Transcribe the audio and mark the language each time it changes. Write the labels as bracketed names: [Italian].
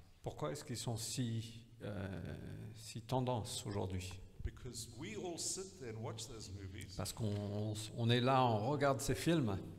[French] Pourquoi est-ce qu'ils sont si tendance aujourd'hui? [English] Because we all sit there and watch those movies. [French] Parce qu'on est là, on regarde ces films.